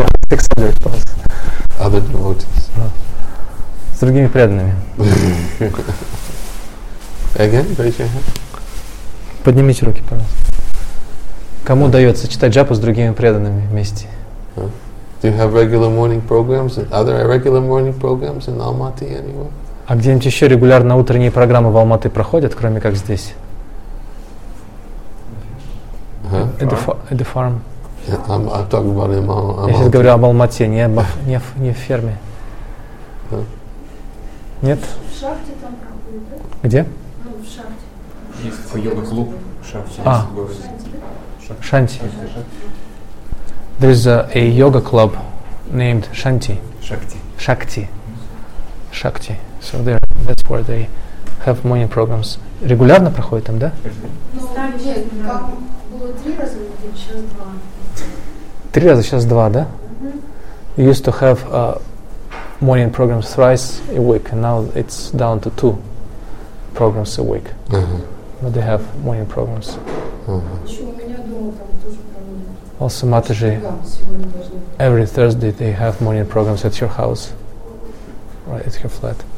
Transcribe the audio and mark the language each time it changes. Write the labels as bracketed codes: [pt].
[en] Except their spouses. Other devotees. [ru] С другими преданными. [en] Again, raise your hand. [ru] Поднимите руки, пожалуйста. Кому дается читать джапу с другими преданными вместе? [en] Do you have regular morning programs? Are there regular morning programs in Almaty anywhere? [ru] А где-нибудь еще регулярно утренние программы в Алматы проходят, кроме как здесь? [en] At the farm. I'm talking about in Almaty. [ru] Я сейчас говорю об Алмате, не в ферме. Нет? В шахте там какой-то. Где? В шахте. Есть йога-клуб в шахте. [en] А, Шанти. There is a yoga club named Shanti. Shakti. Shakti. So there, that's where they have morning programs. [ru] Регулярно проходит там, да? Ну, нет, там было три раза, сейчас два. Три раза, сейчас два, да? Mm-hmm. [en] Used to have a morning program thrice a week, and now it's down to two programs a week. Mm-hmm. But they have morning programs. Mm-hmm. Also, Mataji, every Thursday they have morning programs at your house, right, at your flat.